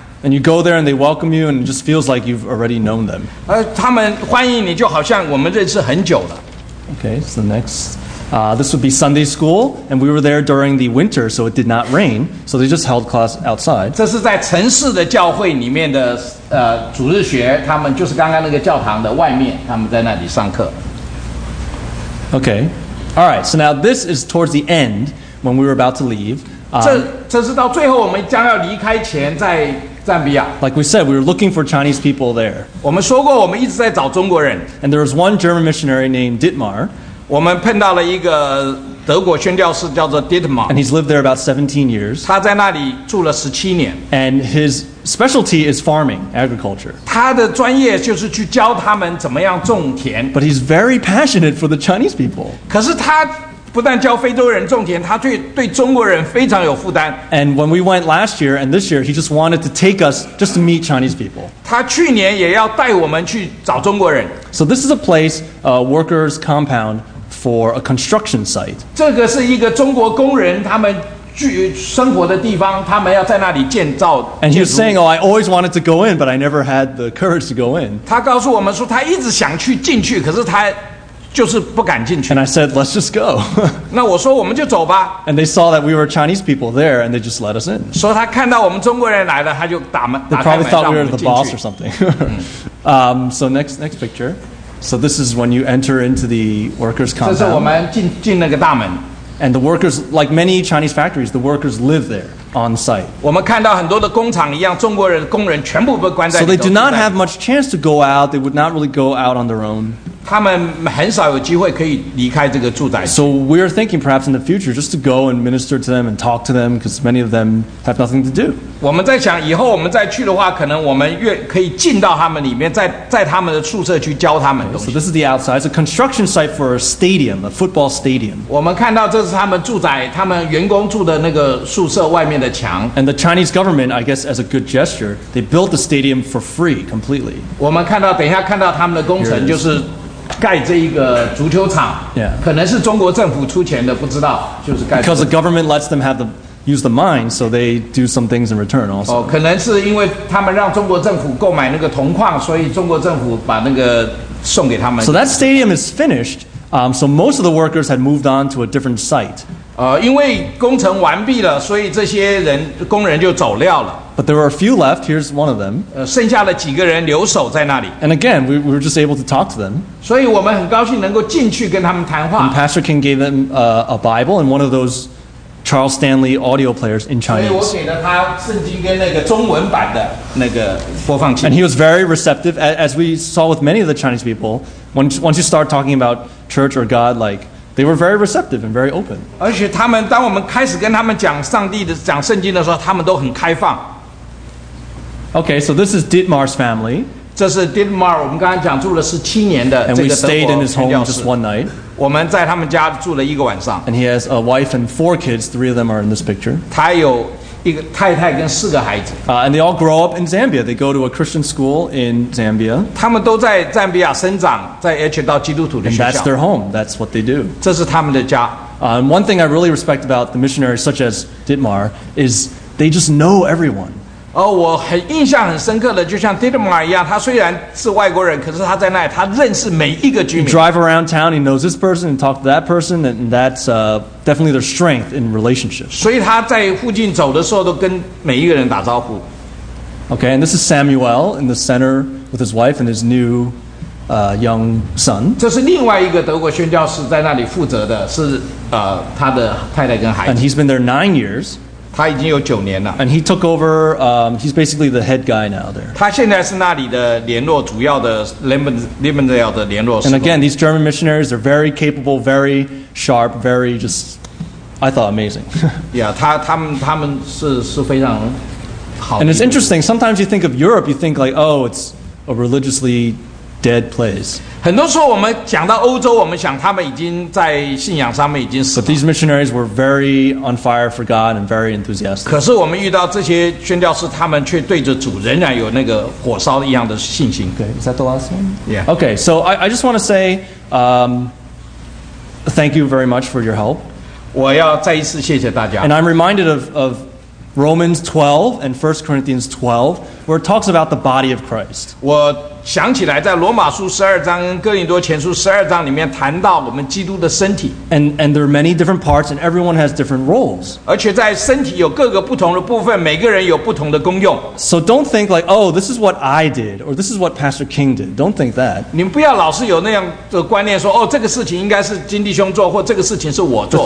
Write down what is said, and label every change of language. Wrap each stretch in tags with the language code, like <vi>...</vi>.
<en>And you go there and they welcome you and it just feels like you've already known them.</en> <zh>他们欢迎你就好像我们认识很久了。</zh> <en>Okay, so the next. This would be Sunday school and we were there during the winter so it did not rain. So they just held class outside.</en> <zh>这是在城市的教会里面的主日学，他们就是刚刚那个教堂的外面，他们在那里上课。</zh> <en>Okay, all right, so now this is towards the end when we were about to leave.</en> <zh>这是到最后我们将要离开前在</zh> <en>Like we said, we were looking for Chinese people there.</en> <zh>我们说过我们一直在找中国人。</zh> <en>And there was one German missionary named Dietmar.</en> <zh>我们碰到了一个德国宣教士叫做 Dietmar。</zh> <en>And he's lived there about 17 years.</en> <zh>他在那里住了17年。</zh> <en>And his specialty is farming, agriculture.</en> <zh>他的专业就是去教他们怎么样种田。</zh> <en>But he's very passionate for the Chinese people.</en> <zh>可是他不但教非洲人种田，他对中国人非常有负担。</zh> <en>And when we went last year and this year, he just wanted to take us just to meet Chinese people.</en> <zh>他去年也要带我们去找中国人。</zh> <en>So this is a place, a workers' compound for a construction site.</en> <zh>这个是一个中国工人他们生活的地方，他们要在那里建造建筑。</zh> <en>And he was saying, "Oh, I always wanted to go in, but I never had the courage to go in."</en> <zh>他告诉我们说，他一直想去进去，可是他就是不敢进去。</zh> <en>And I said, "Let's just go."</en> <zh>那我说我们就走吧。</zh> <en>And they saw that we were Chinese people there, and they just let us in.</en> <zh>说他看到我们中国人来了，他就打门。</zh> <en>They probably thought we were the boss or something. So next picture. So this is when you enter into the workers' compound.</en> <zh>这是我们进那个大门。</zh> <en>And the workers, like many Chinese factories, the workers live there on site.</en> <zh>我们看到很多的工厂一样，中国人工人全部被关在。</zh> <en>So they do not have much chance to go out. They would not really go out on their own.</en> <zh>他们很少有机会可以离开这个住宅。</zh> <en>So we're thinking perhaps in the future just to go and minister to them and talk to them because many of them have nothing to do.</en> <zh>我们在想以后我们再去的话，可能我们可以进到他们里面，在他们的宿舍去教他们东西。</zh> <en>So this is the outside. It's a construction site for a stadium, a football stadium.</en> <zh>我们看到这是他们住宅，他们员工住的那个宿舍外面的墙。</zh> <en>And the Chinese government, I guess, as a good gesture, they built the stadium for free completely.</en> <zh>我们看到等一下看到他们的工程就是。盖这一个足球场， yeah. 可能是中国政府出钱的，不知道，就是盖。</zh> <en>Because the government lets them have the use the mine, so they do some things in return also.</en> <zh>可能是因为他们让中国政府购买那个铜矿，所以中国政府把那个送给他们。</zh> <en>So that stadium is finished. So most of the workers had moved on to a different site.</en> <zh>因为工程完毕了，所以这些人工人就走掉了。</zh> <en>But there were a few left. Here's one of them.</en> <zh>剩下了几个人留守在那里。</zh> <en>And again, we were just able to talk to them.</en> <zh>所以我们很高兴能够进去跟他们谈话。</zh> <en>And Pastor King gave them a Bible and one of those Charles Stanley audio players in Chinese.</en> <zh>所以我给了他圣经跟那个中文版的那个播放器。</zh> <en>And he was very receptive, as we saw with many of the Chinese people. Once you start talking about church or God, like. They were very receptive and very open.</en> <zh>而且他们当我们开始跟他们讲上帝的讲圣经的时候，他们都很开放。</zh> <en>Okay, so this is Dietmar's family.</en> <zh>这是 Dietmar， 我们刚刚讲住了17年的这个德国宣教士。</zh> <en>And we stayed in his home just one night.</en> <zh>我们在他们家住了一个晚上。</zh> <en>And he has a wife and 4 kids. 3 of them are in this picture.</en> <zh>他有一个太太跟4个孩子。</zh> <en>And they all grow up in Zambia. They go to a Christian school in Zambia.</en> <zh>他们都在赞比亚生长，在而且到基督徒的学校。</zh> <en>And that's their home. That's what they do.</en> <zh>这是他们的家。</zh> <en>And one thing I really respect about the missionaries such as Dietmar is they just know everyone.</en> <zh>我很印象很深刻的，就像 Dietmar 一样，他虽然是外国人，可是他在那里，他认识每一个居民。</zh> <en>He drive around town, he knows this person and talk to that person, and that's definitely their strength in relationships.</en> <zh>所以他在附近走的时候，都跟每一个人打招呼。</zh> <en>Okay, and this is Samuel in the center with his wife and his new young son.</en> <zh>这是另外一个德国宣教士在那里负责的，是他的太太跟孩子。</zh> <en>And he's been there 9 years.</en> <zh>他已经有9年了。</zh> <en>And he took over, he's basically the head guy now there.</en> <zh>他现在是那里的联络，主要的 Limbendale 的联络。</zh> <en>And again, these German missionaries are very capable, very sharp, very just, I thought, amazing.</en> <zh>Yeah, 他们是非常好。</zh> <en>And it's interesting, sometimes you think of Europe, you think like, oh, it's a religiously dead place.</en> <zh>很多时候我们讲到欧洲，我们想他们已经在信仰上面已经死了。</zh> <en>But these missionaries were very on fire for God and very enthusiastic.</en> <zh>可是我们遇到这些宣教士，他们却对着主仍然有那个火烧一样的信心。</zh> <en>Okay, is that the last one? Yeah. Okay, so I just want to say, thank you very much for your help.</en> <zh>我要再一次谢谢大家。</zh> <en>And I'm reminded of Romans 12 and 1 Corinthians 12, where it talks about the body of Christ.</en> <zh>我想起来在罗马书十二章跟哥林多前书十二章里面谈到我们基督的身体。</zh> <en>And there are many different parts and everyone has different roles.</en> <zh>而且在身体有各个不同的部分，每个人有不同的功用。</zh> <en>So don't think like, oh, this is what I did, or this is what Pastor King did. Don't think that.</en> <zh>你不要老是有那样的观念说，哦，这个事情应该是金弟兄做，或这个事情是我做。</zh>